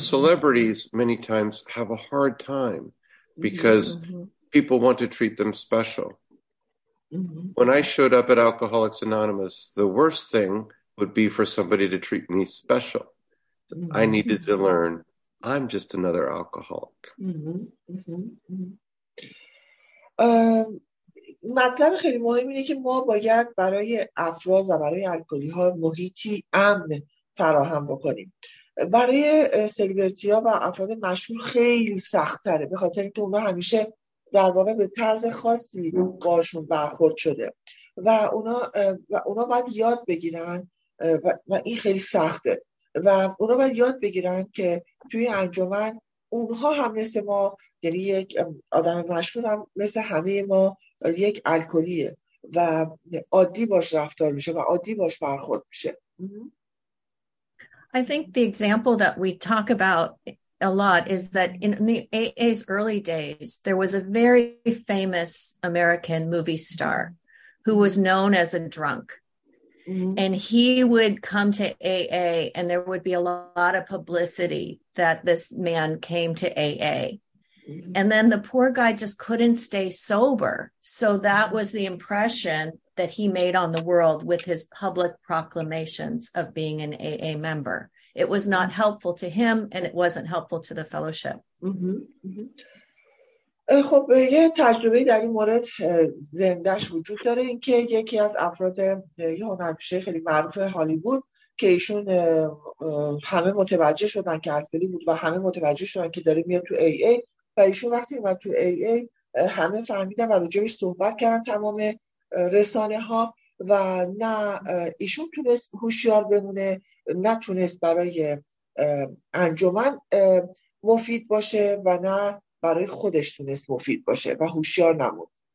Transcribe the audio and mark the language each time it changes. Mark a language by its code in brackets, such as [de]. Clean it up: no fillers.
[en] celebrities many times have a hard time because mm-hmm. people want to treat them special. Mm-hmm. When I showed up at Alcoholics Anonymous, the worst thing would be for somebody to treat me special. Mm-hmm. I needed to learn I'm just another alcoholic. Mm-hmm. Mm-hmm. [fa] مطلب خیلی مهم اینه که ما باید برای افراد و برای الکلی‌ها محیطی امن فراهم بکنیم. برای سلبریتی‌ها و افراد مشهور خیلی سخت‌تره، به خاطر اینکه اونا همیشه در واقع به طرز خاصی باشون برخورد شده و اونا باید یاد بگیرن و این خیلی سخته و اونا باید یاد بگیرن که توی انجمن اونها هم مثل ما، یعنی یک آدم مشهور هم مثل همه ما یک الکلیه و عادی باش رفتار میشه و عادی باش برخورد میشه. [en] I think the example that we talk about a lot is that in the AA's early days there was a very famous American movie star who was known as a drunk. Mm-hmm. And he would come to AA and there would be a lot of publicity that this man came to AA. Mm-hmm. And then the poor guy just couldn't stay sober. So that was the impression that he made on the world with his public proclamations of being an AA member. It was not helpful to him and it wasn't helpful to the fellowship. Mm-hmm. Mm-hmm. [fa] خب یه تجربه در این مورد زندهش وجود داره، اینکه یکی از افراد یه هنرمند خیلی معروف هالیوود که ایشون همه متوجه شدن که الکلی بود و همه متوجه شدن که داره میاد تو ای ای و ایشون وقتی اومد تو ای ای همه فهمیدن و راجعش صحبت کردن تمام رسانه ها و نه ایشون تونست هوشیار بمونه نه تونست برای انجمن مفید باشه و نه برای خودش تونست مفید باشه و هوشیار نمود.